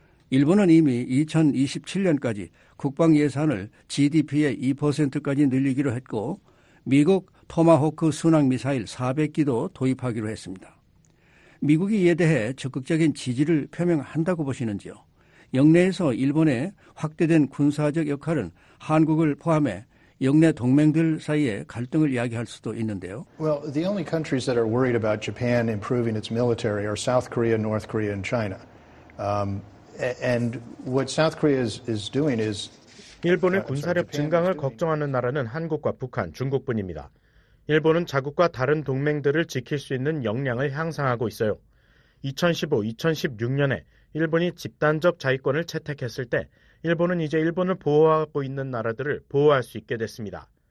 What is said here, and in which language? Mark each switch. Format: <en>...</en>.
<ko>일본은 이미 2027년까지 국방 예산을 GDP의 2%까지 늘리기로 했고 미국 토마호크 순항미사일 400기도 도입하기로 했습니다. 미국이 이에 대해 적극적인 지지를 표명한다고 보시는지요? 영내에서 일본의 확대된 군사적 역할은 한국을 포함해 영내 동맹들 사이에 갈등을 야기할 수도 있는데요.</ko> <en>Well, the only countries that are worried about Japan improving its military are South Korea, North Korea, and China. And what South Korea is doing is</en> <ko>일본의 군사력 증강을 걱정하는 나라는 한국과 북한, 중국뿐입니다. 일본은 자국과 다른 동맹들을 지킬 수 있는 역량을 향상하고 있어요. 2015-2016년에 일본이 집단적 자위권을 채택했을 때 일본은 이제 일본을 보호하고 있는 나라들을 보호할 수 있게 됐습니다.</ko>